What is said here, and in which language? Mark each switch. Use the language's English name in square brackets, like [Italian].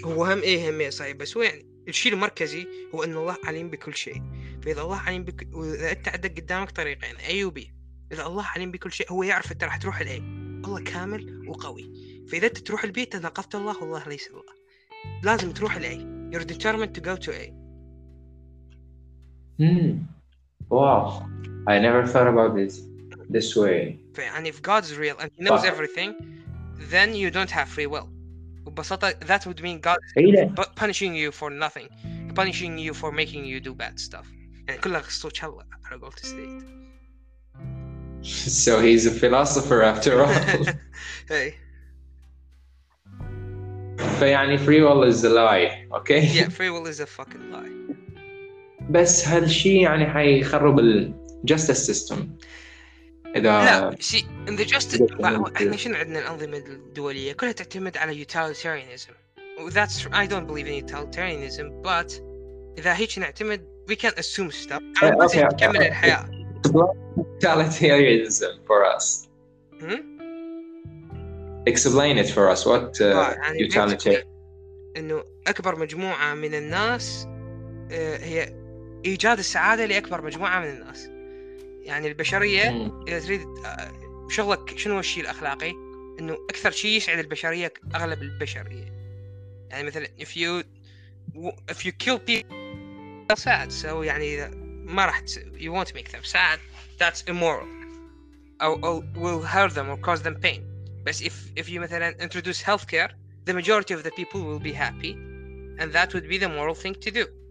[Arabic] هو هم إيه هم صحيح بس هو يعني الشيء المركزي هو أن الله عليم بكل شيء فإذا الله عليم بكل وإذا أنت عندك قدامك طريقين A و B إذا الله عليم بكل شيء هو يعرف أنت راح تروح الـ A الله كامل وقوي فإذا أنت تروح الـ B تناقضت الله والله ليس الله لازم تروح الـ A [English] You're determined to go to A Wow I never thought about this this way And if God is real and he knows everything then you don't have free will [Arabic] ببساطة [English] that would mean God punishing you for nothing. punishing you for making you do bad stuff. [Arabic] And كلها قصوتها على قولة ستيت. [English] So he's a philosopher after all. Hey. فيعني free will is a lie, okay? Yeah, free will is a fucking lie. [Arabic] بس هالشي يعني حيخرب ال justice system. لا, [English] the justice. [Arabic] إحنا شنو عندنا الأنظمة الدولية كلها تعتمد على utilitarianism. [English] That's I don't believe in utilitarianism, but [Arabic] إذا هيك نعتمد [English] we can't assume stuff. Okay. [Arabic] كمل الحياة. [English] Utilitarianism for us. Explain it for us. What utilitarian? [Arabic] إنه أكبر مجموعة من الناس هي إيجاد السعادة لأكبر مجموعة من الناس. يعني البشرية إذا تريد شغلك شنو الشيء الأخلاقي إنه أكثر شيء يسعد البشرية أغلب البشرية. [English] يعني مثلاً if you kill people they're sad, so [Arabic] يعني ما راح [English] you won't make them sad, that's immoral or will hurt them or cause them pain. But if you مثلاً introduce healthcare, the majority of the people will be happy, and that would be the moral thing to do.